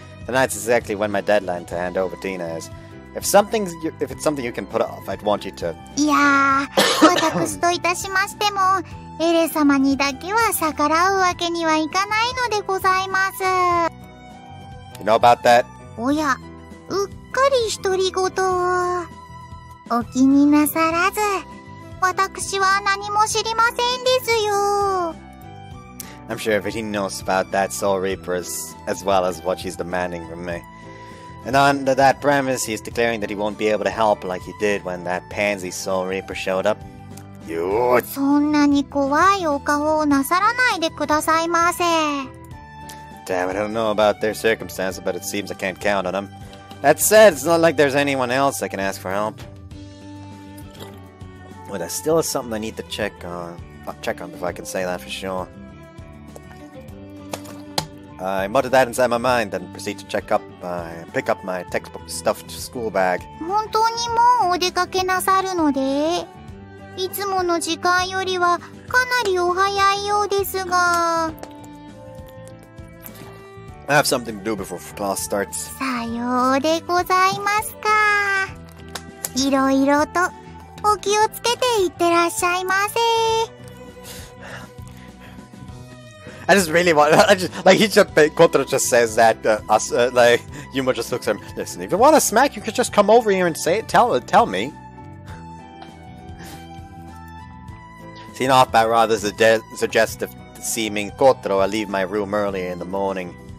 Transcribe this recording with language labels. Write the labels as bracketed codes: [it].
[en] Tonight's exactly when my deadline to hand over Tina is. If it's something you can put off, I'd want you to. [ja] いや、私といたしましても、エレ様にだけは逆らうわけにはいかないのでございます。 [en] You know about that? [ja] おや、うっかり独り言。お気になさらず。 [en] I'm sure everything knows about that soul reaper as well as what she's demanding from me. And under that premise, he's declaring that he won't be able to help like he did when that pansy soul reaper showed up. You. [ja] そんなに怖いお顔をなさらないでくださいませ. [en] Damn, I don't know about their circumstances, but it seems I can't count on them. That said, it's not like there's anyone else I can ask for help. But there still is something I need to check on before I can say that for sure. I mutter that inside my mind, then proceed to pick up my textbook stuffed school bag. [ja] 本当にもうお出かけなさるので?いつもの時間よりはかなりお早いようですが。 [en] I have something to do before class starts. [ja] さようでございますか。いろいろとお気をつけていってらっしゃいませ。 [en] I just really want, Kotaro just says that to us, Yuma just looks at him. Listen, if you want a smack, you could just come over here and say it, tell me. See, not by rather suggestive seeming Kotaro, I leave my room early in the morning.